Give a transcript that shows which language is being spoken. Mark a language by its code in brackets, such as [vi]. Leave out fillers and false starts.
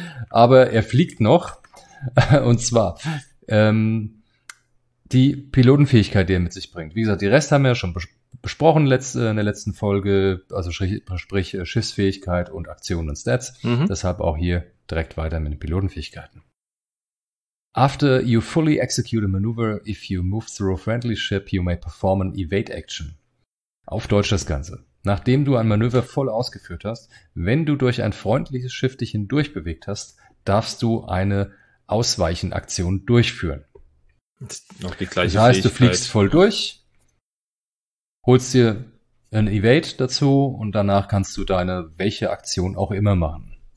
[de] Aber er fliegt noch. Und zwar die Pilotenfähigkeit, die er mit sich bringt. Wie gesagt, die Rest haben wir ja schon besprochen in der letzten Folge. Also sprich Schiffsfähigkeit und Aktionen und Stats. Deshalb auch hier direkt weiter mit den Pilotenfähigkeiten. [en] After you fully execute a maneuver, if you move through a friendly ship, you may perform an evade action. [de] Auf Deutsch das Ganze. Nachdem du ein Manöver voll ausgeführt hast, wenn du durch ein freundliches Schiff dich hindurch bewegt hast, darfst du eine Ausweichenaktion durchführen. Noch die gleiche Fähigkeit. Das heißt, du fliegst voll durch, holst dir ein Evade dazu und danach kannst du deine welche Aktion auch immer machen.